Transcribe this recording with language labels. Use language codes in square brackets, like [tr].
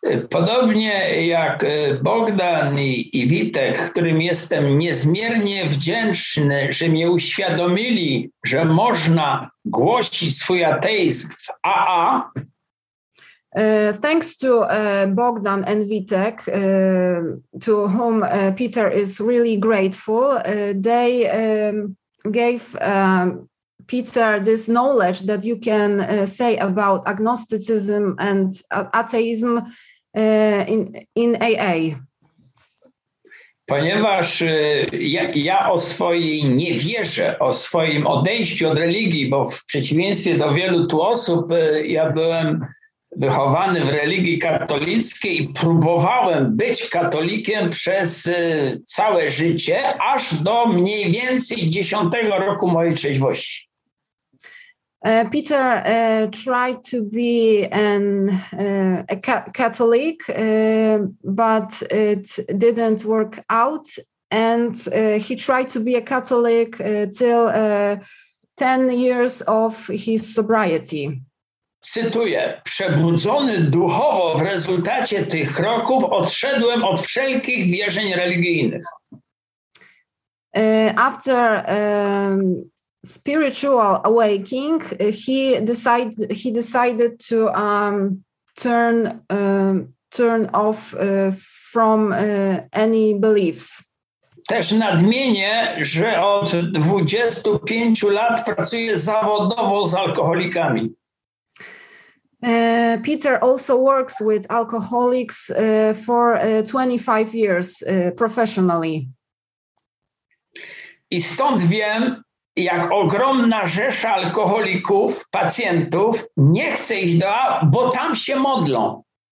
[pl] Podobnie jak Bogdan i Witek, którym jestem niezmiernie wdzięczny, że mnie uświadomili, że można głosić swój ateizm w AA. [en] Thanks to Bogdan and Witek, to whom Peter is really grateful, they gave Peter this knowledge that you can say about agnosticism and atheism in AA. [pl] Ponieważ ja o swojej niewierze, o swoim odejściu od religii, bo w przeciwieństwie do wielu tu osób, ja byłem wychowany w religii katolickiej i próbowałem być katolikiem przez całe życie, aż do mniej więcej 10 roku mojej trzeźwości. [en] Peter tried to be a Catholic, but it didn't work out. And he tried to be a Catholic till 10 years of his sobriety. [pl] Cytuję, przebudzony duchowo w rezultacie tych kroków odszedłem od wszelkich wierzeń religijnych. [en] After spiritual awakening, he decided to turn off from any beliefs. [pl] Też nadmienię, że od 25 lat pracuję zawodowo z alkoholikami. [en] Peter also works with alcoholics for 25 years professionally. [pl] I stąd wiem, jak ogromna rzesza alkoholików, pacjentów nie chce iść do A, bo tam się modlą.